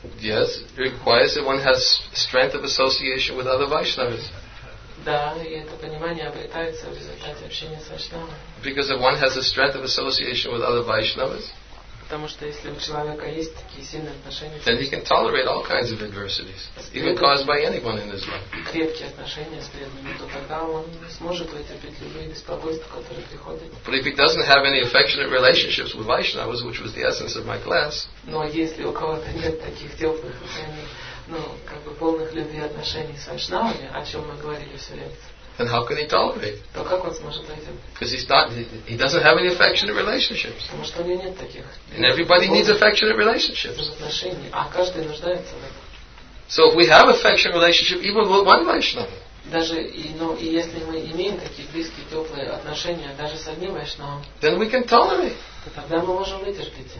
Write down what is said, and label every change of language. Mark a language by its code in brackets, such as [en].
[en] Yes, it requires that one has strength of association with other Vaishnavas. [ru] Да, и это понимание обретается в результате общения с Вайшнавами. [en] Because if one has a strength of association with other Vaishnavas, [ru] потому что если у человека есть такие сильные отношения, [en] then he can tolerate all kinds of adversities, even caused by anyone in his life. [ru] Крепкие отношения с преданными, то тогда он сможет вытерпеть любые беспокойства, которые приходят. [en] But if he doesn't have any affectionate relationships with Vaishnavas, which was the essence of my class, [ru] но если у кого-то нет таких теплых отношений, ну, как бы полных любви отношений с Вайшнавами, о чем мы говорили все лекции, [en] then how can he tolerate? [ru] То как он сможет это? [en] Because he doesn't have any affectionate relationships. [ru] Потому что у него нет таких. [en] And everybody needs affectionate relationships. [ru] Отношений. А каждый нуждается в этом. [en] So if we have affectionate relationship, even with one Vaishnava. [ru] Даже и если мы имеем такие близкие теплые отношения, даже с одним Вайшнавом. [en] Then we can tolerate. [ru] Тогда мы можем вытерпеть.